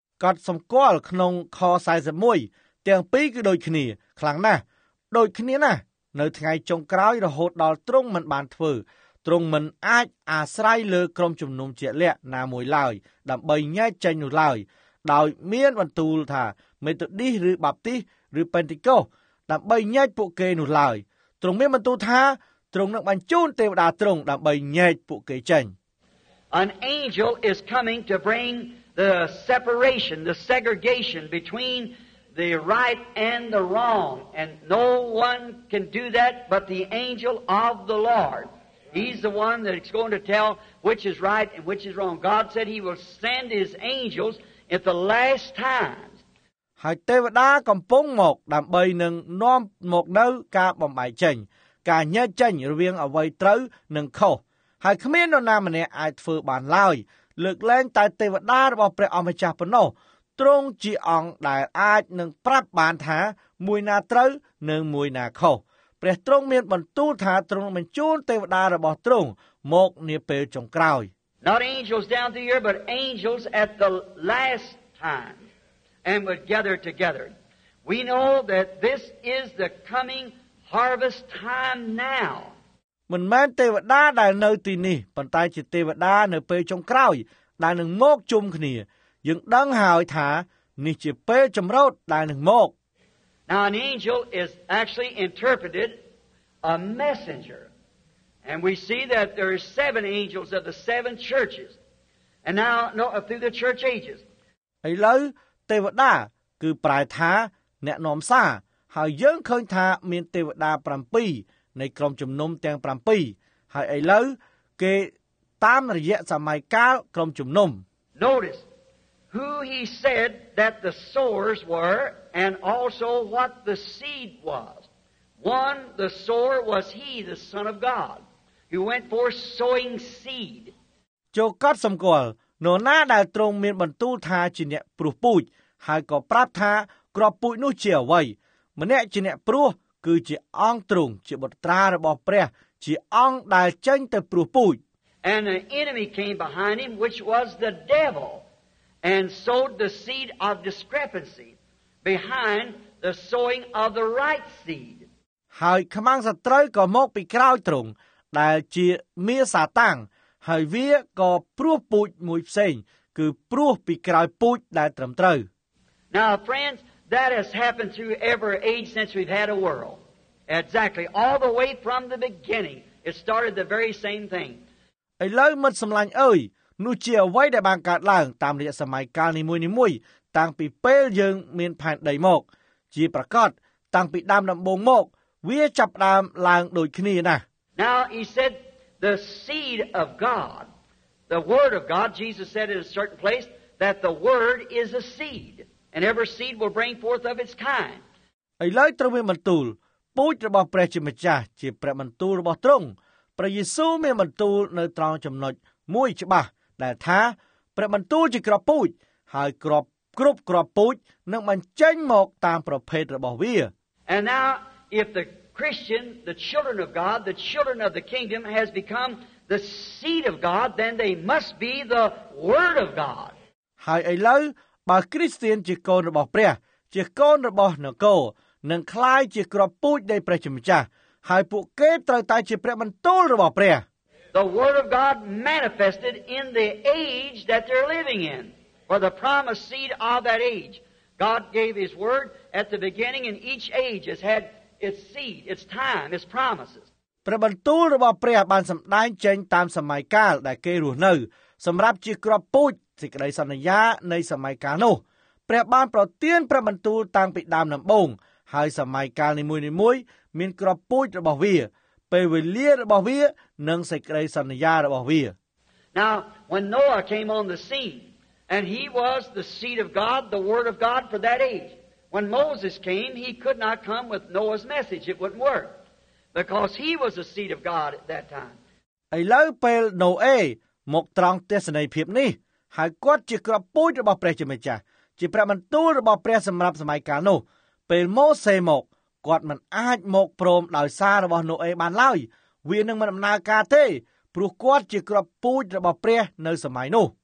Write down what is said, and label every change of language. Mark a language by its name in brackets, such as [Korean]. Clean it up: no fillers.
[Khmer] កត់សម្គាល់ក្នុងខ41ទាំងពីរគឺដូចគ្នាខ្លាំងណាស់ដូចគ្នាណាស់នៅថ្ងៃចុងក្រោយរហូតដល់ទ្រង់មិនបានធ្វើទ្រង់មិនអាចអាស្រ័យលើក្រុមជំនុំជាក់លាក់ណាមួយឡើយដើម្បីញែកចេញនោះឡើយដោយមានបន្ទូលថា Methodist ឬ Baptist ឬ Pentecost ដើម្បីញែកពួកគេនោះឡើយទ្រង់មានបន្ទូលថាទ្រង់នឹងបញ្ជូនទេវតាទ្រង់ដើម្បីញែកពួកគេចេញ [English] An angel is coming to bring the separation, the segregation between the right and the wrong and no one can do that but the angel of the Lord. He's the one that's going to tell which is right and which is wrong. God said he will send his angels at the last time. [Khmer] ហើយទេវតាកំពុងមកដើម្បីនឹងនាំមកនៅការបំបែកចេញការញែកចេញរវាងអ្វីត្រូវនិងខុសហើយគ្មាននរណាម្នាក់អាចធ្វើបានឡើយលើកលែងតែទេវតារបស់ព្រះអម្ចាស់ប៉ុណ្ណោះទ្រង់ជាអង្គដែលអាចនឹងប្រាប់បានថាមួយណាត្រូវនិងមួយណាខុសព្រះទ្រង់មានបន្ទូលថាទ្រង់បញ្ជូនទេវតារបស់ទ្រង់មកនាពេលចុងក្រោយ [English] Not angels down the year but angels at the last timeand would gather together. We know that this is the coming harvest time now. [Khmer] មិនមែនទេវតាដែលនៅទីនេះប៉ុន្តែជាទេវតានៅពេលចុងក្រោយដែលនឹងមកជុំគ្នាយើងដឹងហើយថានេះជាពេលចម្រោតដែលនឹងមក [English] Now an angel is actually interpreted a messenger. And we see that there are seven angels of the seven churches. And now no through the church ages. [Khmer] ឥឡូវទេវតាគឺប្រែថាអ្នកនាំសារហើយយើងឃើញថាមានទេវតា7នៃក្រុមជំនុំទាំង7ហើយឥឡូវគេតាមរយៈសម័យកាលក្រុមជំនុំ [English] Notice who he said that the sowers were and also what the seed was. One, the sower was he, the Son of God, who went for sowing seed. [Khmer] ចូលកត់សម្គាល់នរណាដែលទ្រង់មានបន្ទូលថាជាអ្នកព្រោះពូជហើយក៏ប្រាប់ថាគ្រាប់ពូជនោះជាអ្វីម្នាក់ជាអ្នកព្រោះគឺជាអង្គទ្រង់ជាបុត្រារបស់ព្រះជាអង្គដែលចេញទៅព្រោះពូជ [English] And an enemy came behind him which was the devil and sowed the seed of discrepancy behind the sowing of the right seed. [Khmer] ហើយខ្មាំងសត្រូវក៏មកពីក្រោយទ្រង់ដែលជាមារសាតាំងហើយវាក៏ព្រោះពូជមួយផ្សេងគឺព្រោះពីក្រោយពូជដែលត្រឹមត្រូវ [English] Now friends, that has happened through every age since we've had a world. Exactly, all the way from the beginning, it started the very same thing. [Khmer] ឥឡូវមិត្តសម្លាញ់អើយនោះជាអ្វីដែលបានកើតឡើងតាមរយៈសម័យកាលនីមួយៗតាំងពីពេលយើងមានផែនដីមកជាប្រកាសតាំងពីដើមដំបូងមកវាចាប់ដើមឡើងដូចគ្នាណា [English] Now he said the seed of God, the word of God, Jesus said in a certain place that the word is a seed and every seed will bring forth of its kind. [Khmer] ឥឡូវត្រូវមានបន្ទូលពូជរបស់ព្រះជាម្ចាស់ជាព្រះបន្ទូលរបស់ទ្រង់ព្រះយេស៊ូវមានបន្ទូលនៅត្រង់ចំណុចមួយច្បាស់ដែលថាព្រះបន្ទូលជាគ្រាប់ពូជហើយគ្រាប់គ្រប់គ្រាប់ពូជនឹងបញ្ចេញមកតាមប្រភេទរបស់វា [English] And now if the Christian, the children of God, the children of the kingdom has become the seed of God, then they must be the word of God. [Khmer] ហើយឥឡូវបើគ្រីស្ទានជាកូនរបស់ព្រះជាកូនរបស់នគរនឹងក្លាយជាគ្រាប់ពូជនៃព្រះជាម្ចាស់ហើយពួកគេត្រូវតែជាព្រះបន្ទូលរបស់ព្រះ [English] The word of God manifested in the age that they're living in. For the promised seed of that age, God gave his word at the beginning and each age has had its seed, its time, its promises. [Khmer] ព្រះបន្ទូលរបស់ព្រះបានសម្ដែងចេញតាមសម័យកាលដែលគេរស់នៅសម្រាប់ជាគ្រាប់ពូជសេចក្តីសន្យានៃសម័យកាលនោះព្រះបានប្រទានព្រះបន្ទូលតាំងពីដើមដំបូងហើយសម័យកាលនីមួយៗមានគ្រាប់ពូជរបស់វាពេលវេលារបស់វានិងសេចក្តីសន្យារបស់វា [English] Now when Noah came on the scene and he was the seed of God, the word of God for that age. When Moses came, he could not come with Noah's message. It wouldn't work because he was the seed of God at that time. [Khmer] ឥឡូវពេលណូអេមកត្រង់ទស្សនីយភាពនេះហើយគាត់ជាគ្រាប់ពូជរបស់ព្រះជាម្ចាស់ជាព្រះបន្ទូលរបស់ព្រះសម្រាប់សម័យកាលនោះពេលម៉ូសេមកគាត់មិនអាចមកព្រមដោយសាររបស់ណូអេបានឡើយវានឹងមិនដំណើរការទេព្រោះគាត់ជាគ្រាប់ពូជរបស់ព្រះនៅសម័យនោះ